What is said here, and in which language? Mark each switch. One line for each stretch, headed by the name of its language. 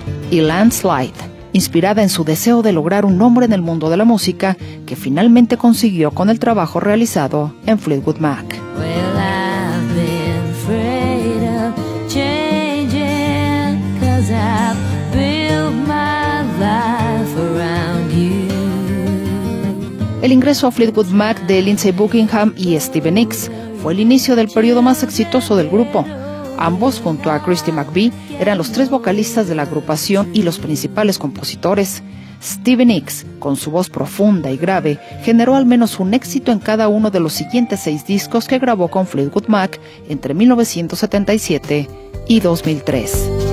Spanish: Y Landslide, inspirada en su deseo de lograr un nombre en el mundo de la música, que finalmente consiguió con el trabajo realizado en Fleetwood Mac.
English: Well, I've been afraid of changing, 'cause I've built my life around you.
Spanish: El ingreso a Fleetwood Mac de Lindsey Buckingham y Stevie Nicks fue el inicio del periodo más exitoso del grupo. Ambos, junto a Christy McVie, eran los tres vocalistas de la agrupación y los principales compositores. Stevie Nicks, con su voz profunda y grave, generó al menos un éxito en cada uno de los siguientes seis discos que grabó con Fleetwood Mac entre 1977 y 2003.